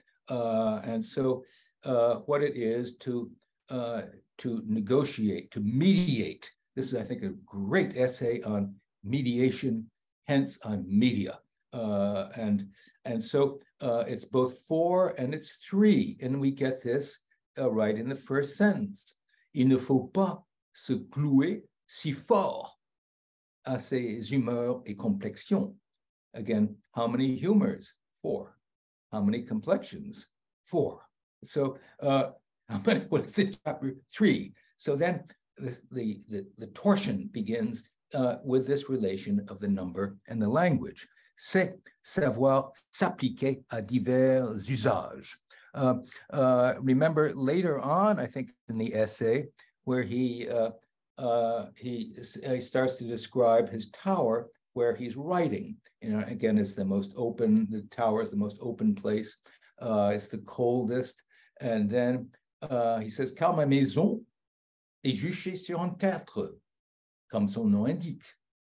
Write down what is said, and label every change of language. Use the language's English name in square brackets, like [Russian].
[English] And so what it is to negotiate, to mediate. This is, I think, a great essay on mediation, hence on media. And so it's both four and it's three, and we get this right in the first sentence. [French] Il ne faut pas se clouer si fort à ses humeurs et complexions. [English] Again, how many humors? Four. How many complexions? Four. So what is the chapter? Three. So then the torsion begins with this relation of the number and the language. [French] C'est savoir s'appliquer à divers usages. [English] Remember later on, I think in the essay, where he starts to describe his tower where he's writing. You know, again, it's the tower is the most open place. It's the coldest. And then He says, [French] car ma maison est juchée sur un tertre, comme son nom indique.